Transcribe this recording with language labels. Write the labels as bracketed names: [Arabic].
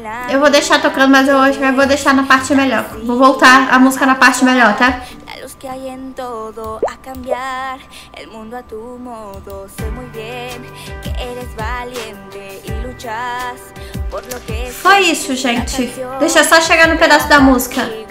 [Portuguese] Eu vou deixar tocando, mas eu acho que eu vou deixar na parte melhor. Vou voltar a música na parte melhor, tá? [Spanish] Que hay en todo a cambiar el mundo a tu modo. Sé muy bien que eres valiente y luchas por lo que [Portuguese] es. Foi isso, gente. Deixa só chegar no pedaço da música.